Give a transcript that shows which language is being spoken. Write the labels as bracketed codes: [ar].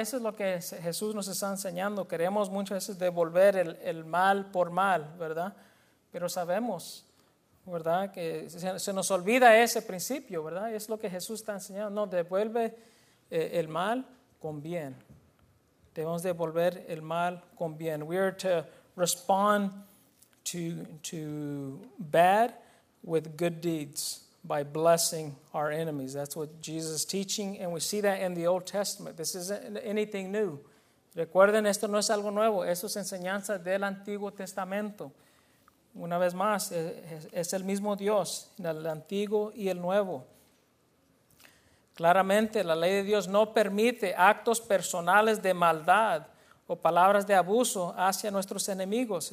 [es] Eso es lo que Jesús nos está enseñando. Queremos muchas veces devolver el mal por mal, ¿verdad? Pero sabemos, ¿verdad?, que se nos olvida ese principio, ¿verdad? Es lo que Jesús está enseñando. No, devuelve el mal con bien. Debemos devolver el mal con bien. [en] We are to respond to bad with good deeds by blessing our enemies. That's what Jesus is teaching, and we see that in the Old Testament. This isn't anything new. [es] Recuerden, esto no es algo nuevo. Eso es enseñanza del Antiguo Testamento. Una vez más, es el mismo Dios, el Antiguo y el Nuevo. Claramente, la ley de Dios no permite actos personales de maldad o palabras de abuso hacia nuestros enemigos.